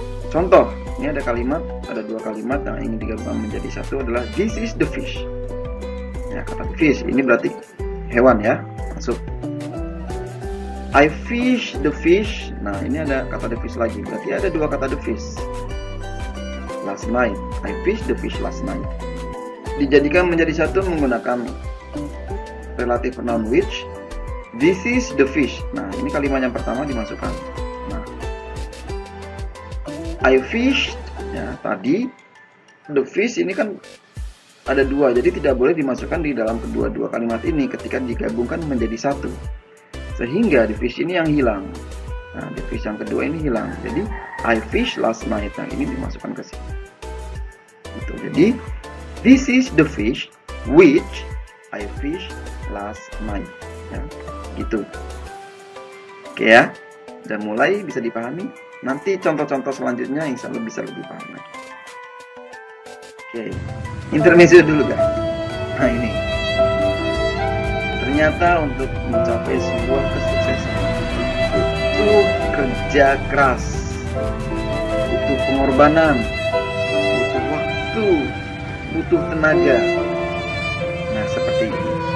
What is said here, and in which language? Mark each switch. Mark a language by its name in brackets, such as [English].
[Indonesian] Contoh, ini ada kalimat, ada dua kalimat yang ingin digabungkan menjadi satu adalah [English] this is the fish. [Indonesian] Ya, kata fish ini berarti hewan ya. Masuk. [English] I fish the fish. [Indonesian] Nah, ini ada kata the fish lagi. Berarti ada dua kata the fish. [English] Last night, I fish the fish last night. [Indonesian] Dijadikan menjadi satu menggunakan relatif pronoun which. [English] This is the fish. [Indonesian] Nah, ini kalimat yang pertama dimasukkan. I fished, ya tadi, the fish ini kan ada dua, jadi tidak boleh dimasukkan di dalam kedua-dua kalimat ini ketika digabungkan menjadi satu. Sehingga the fish ini yang hilang. Nah, the fish yang kedua ini hilang. Jadi, [English] I fished last night, [Indonesian] nah ini dimasukkan ke sini. Gitu, jadi, [English] this is the fish which I fished last night. [Indonesian] Ya, gitu. Oke ya, dan mulai bisa dipahami. Nanti contoh-contoh selanjutnya insya Allah bisa lebih paham. Oke, intermezzo dulu guys. Nah ini ternyata untuk mencapai sebuah kesuksesan itu kerja keras, butuh pengorbanan, butuh waktu, butuh tenaga. Nah seperti ini.